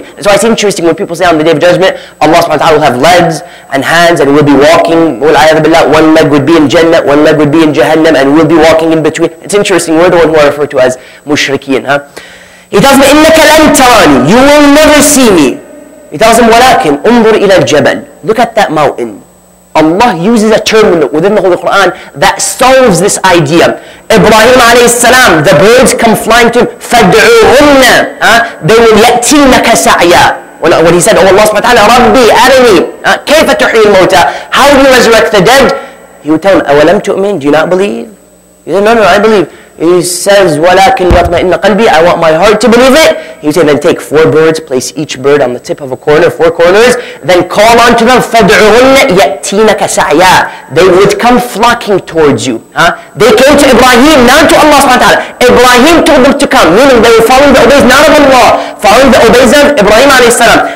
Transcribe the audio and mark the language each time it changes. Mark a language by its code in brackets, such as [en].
[en] That's why it's interesting when people say on the Day of Judgment, Allah subhanahu wa ta'ala will have legs and hands and will be walking. One leg would be in Jannah, one leg would be in Jahannam, and we'll be walking in between. It's interesting. We're the one who are referred to as mushrikeen. Huh? He tells him, [ar] إِنَّكَ لَنْ تَرَانِي. [en] You will never see me. He tells him, [ar] وَلَكِنْ أُنظُرْ إِلَى الْجَبَلِ. [en] Look at that mountain. Allah uses a term within the Holy Quran that solves this idea. Ibrahim alayhi salam, the birds come flying to him. [ar] فَادْعُوهُنَّ. [en] They will [ar] يَأْتِينَكَ سَعْيَا. [en] When he said, oh Allah subhanahu wa ta'ala, [ar] رَبِّي أَرِنِي. كَيْفَ تُحْيِي الْمَوْتَى. [en] How do you resurrect the dead? He would tell him, [ar] أَوَلَمْ تُؤْمِن. [en] Do you not believe? He said, no, I believe. He says, [ar] وَلَكِنْ يَطْمَئِنَّ قَلْبِي. [en] I want my heart to believe it. He said, then take four birds, place each bird on the tip of a corner, four corners, then call on to them, [ar] فَادْعُهُنَّ يَأْتِينَكَ سَعْيَا. [en] They would come flocking towards you. Huh? They came to Ibrahim, not to Allah subhanahu wa ta'ala. Ibrahim told them to come, meaning they were following the obeys, not of Allah, following the obeys of Ibrahim alayhi salam.